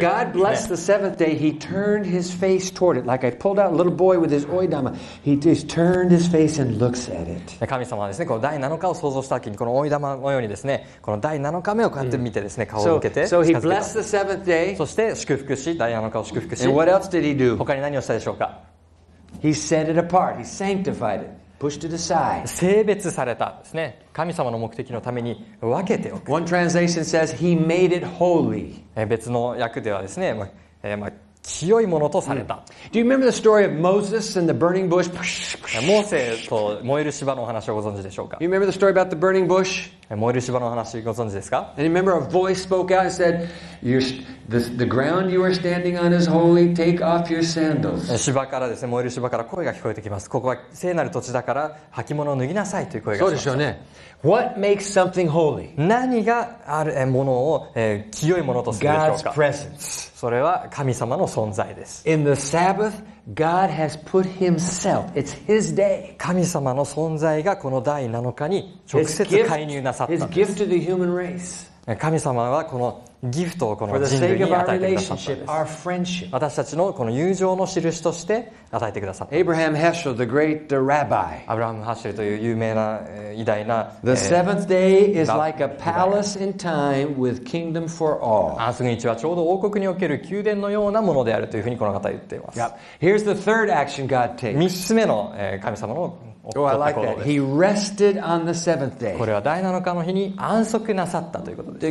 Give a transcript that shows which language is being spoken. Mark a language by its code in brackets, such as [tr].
[en] When God blessed the seventh day, he turned his face toward it. Like I pulled out a little boy with his oidama. He just turned his face and looks at it. [ja] 神様はですね、この第7日を想像したときに、この oidama のようにですね、この第7日目をこうやって見てですね、顔を向けて近づけた。 [en] So he blessed the seventh day. [ja] そして祝福し、第7日を祝福し。 [en] And what else did he do? [ja] 他に何をしたでしょうか [en] ?He set it apart. He sanctified it. Pushed it aside. [ja] 聖別されたですね。神様の目的のために分けておく。 [en] One translation says he made it holy. [ja] 別の訳ではですね、まあ、まあ、清いものとされた。 [en] Do you remember the story of Moses and the burning bush? [ja] モーセと燃える芝のお話をご存知でしょうか。 [en] You remember the story about the burning bush? [ja] 燃える芝のお話ご存知ですか。 [en] And remember a voice spoke out and said, the ground you are standing on is holy. Take off your sandals. [ja] 芝からですね、燃える芝から声が聞こえてきます。ここは聖なる土地だから履物を脱ぎなさいという声がします。そうでしょうね。 [en] What makes something holy? [ja] 何がある物を清いものとするでしょうか。 [en] God's presence. [ja] それは神様の存在です。 [en] In the Sabbath, God has put Himself. It's His day. [ja] 神様の存在がこの第7日に直接介入なさったんです。 [en] His gift to the human race. [ja] 神様はこのギフトをこの人類に与えてくださったんです。 [en] For the sake of our relationship, our friendship. [ja] 私たちのこの友情の印として与えてくださった。 [en] Abraham Heschel, the great rabbi. [ja] アブラハム・ハッシェルという有名な偉大な。 [en] The seventh day is like a palace in time with kingdom for all. [ja] 安息日はちょうど王国における宮殿のようなものであるというふうにこの方は言っています。 [en] Yep. Here's the third action God takes. [ja] 三つ目の神様の [en] Oh, I like that. He rested on the seventh day. [ja] これは第7日の日に安息なさったということです。